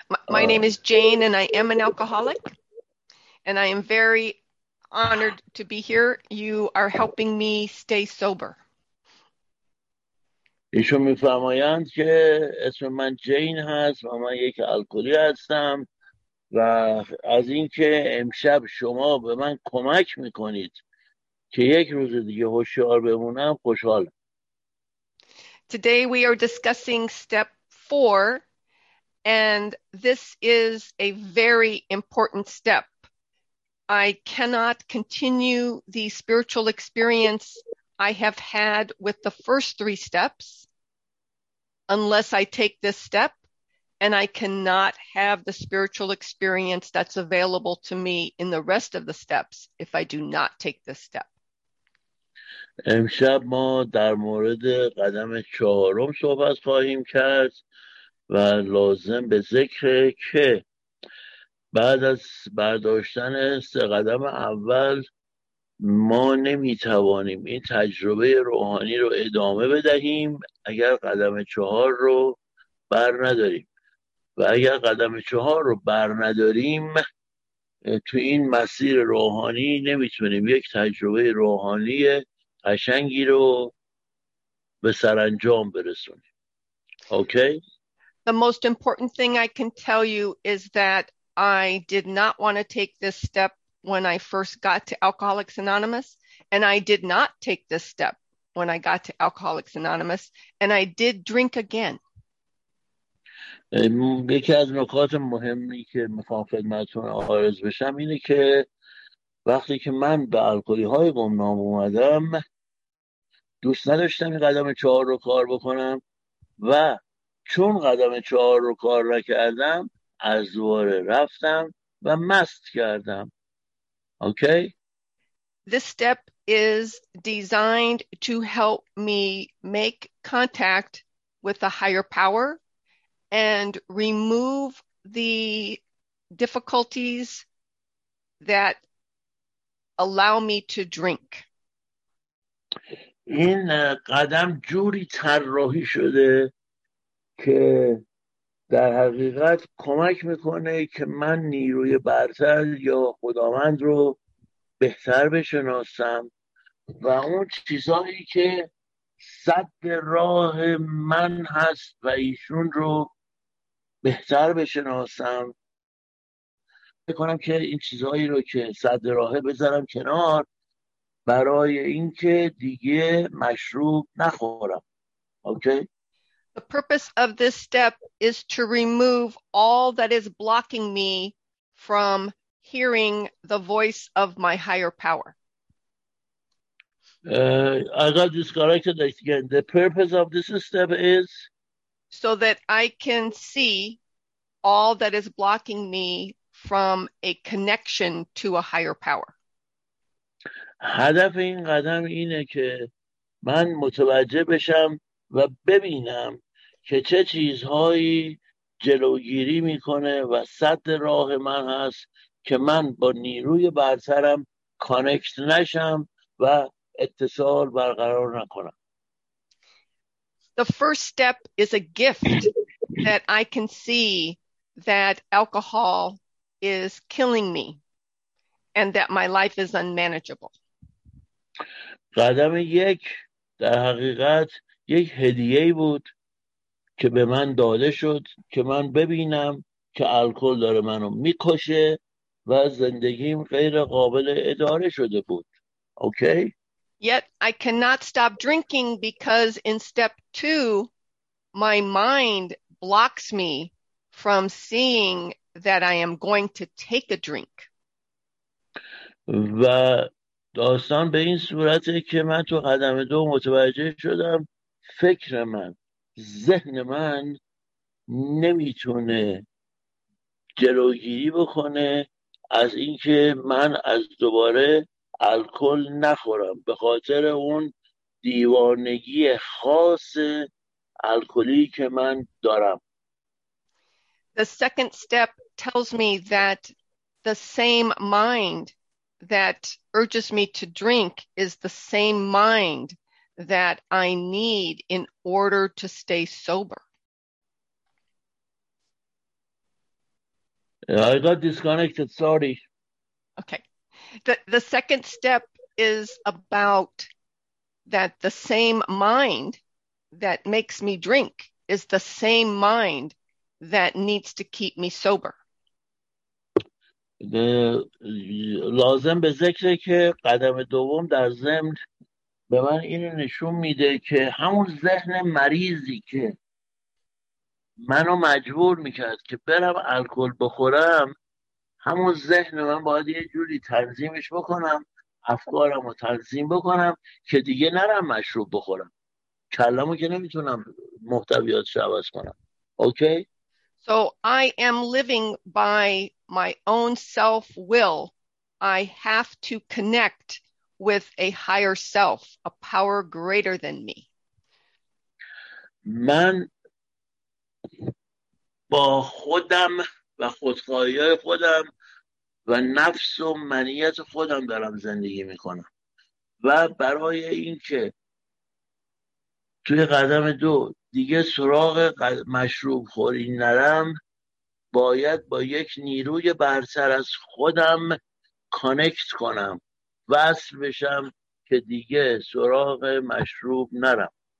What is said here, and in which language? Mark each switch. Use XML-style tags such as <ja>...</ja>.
<en>My name is Jane and I am an alcoholic and I am very honored to be here. You are helping me stay sober.</en> <fa>ایشون میفرمایند که اسم من جین هست و من یک الکلی هستم و از اینکه امشب شما به من کمک میکنید که یک روز دیگه هوشیار بمونم خوشحالم.</fa> <en>Today we are discussing step 4 and this is a very important step. I cannot continue the spiritual experience I have had with the first 3 steps unless I take this step, and I cannot have the spiritual experience that's available to me in the rest of the steps if I do not take this step.</en> <fa>امشب ما در مورد قدم چهارم صحبت خواهیم کرد و لازم به ذکر که بعد از برداشتن سه قدم اول ما نمی توانیم این تجربه روحانی رو ادامه بدهیم اگر قدم چهار رو بر نداریم، و اگر قدم چهار رو بر نداریم تو این مسیر روحانی نمی تونیم یک تجربه روحانی قشنگی رو به سرانجام برسونیم.</fa> <en>Okay. The most important thing I can tell you is that I did not want to take this step when I first got to Alcoholics Anonymous, and I did not take this step when I got to Alcoholics Anonymous, and I did drink again.</en> <fa>یکی از نکات مهمی که میخوام خدمتتون عرض بشم اینه که وقتی که من به الکلی‌های گمنام اومدم دوست نداشتم این قدم چهار رو کار بکنم، و چون قدم چهار رو کار نکردم از دوباره رفتم و مست کردم.</fa> <en>Okay. This step is designed to help me make contact with a higher power and remove the difficulties that allow me to drink.</en> <fa>این قدم جوری طراحی شده که در حقیقت کمک میکنه که من نیروی برتر یا خداوند رو بهتر بشناسم و اون چیزایی که سد راه من هست و ایشون رو بهتر بشناسم، فکر کنم که این چیزایی رو که سد راهه بذارم کنار برای اینکه دیگه مشروب نخورم.</fa> <en>Okay. The purpose of this step is to remove all that is blocking me from hearing the voice of my higher power. I got this corrected again. The purpose of this step is so that I can see all that is blocking me from a connection to a higher power.</en> <fa>هدف این قدم اینه که من متوجه بشم و ببینم که چه چیزهایی جلوگیری میکنه و سد راه من هست که من با نیروی برترم کانکت نشم و اتصال برقرار نکنم.</fa> <en>The first step is a gift that I can see that alcohol is killing me and that my life is unmanageable.</en> <fa>قدم یک در حقیقت یک هدیه بود که به من داده شد که من ببینم که الکل داره منو میکشه و زندگیم غیر قابل اداره شده بود.</fa> <en>Okay? Yet I cannot stop drinking because in step two, my mind blocks me from seeing that I am going to take a drink.</en> <fa>و داستان به این صورته که من تو قدم دو متوجه شدم فکر من، ذهن من نمیتونه جلوگیری بکنه از اینکه من از دوباره الکل نخورم به خاطر اون دیوانگی خاص الکلی که من دارم.</fa> <en>The second step tells me that the same mind that urges me to drink is the same mind that I need in order to stay sober. I got disconnected, sorry. Okay. The second step is about that the same mind that makes me drink is the same mind that needs to keep me sober.</en> <fa>لازم به ذکره که قدم دوم در ضمن به من اینو نشون میده که همون ذهن مریضی که منو مجبور میکرد که برم الکل بخورم، همون ذهن من باید یه جوری تنظیمش بکنم، افکارم رو تنظیم بکنم که دیگه نرم مشروب بخورم، کلمو که نمیتونم محتویاتش عوض کنم.</fa> <en>Okay? So I am living by my own self-will. I have to connect with a higher self, a power greater than me.</en> <fa>من با خودم و خودخواهی خودم و نفس و منیت خودم دارم زندگی میکنم و برای اینکه توی قدم دو دیگه سراغ مشروب خوری نرم، باید با یک نیروی برتر از خودم کانکت کنم، وصل بشم که دیگه سراغ مشروب نرم.</fa>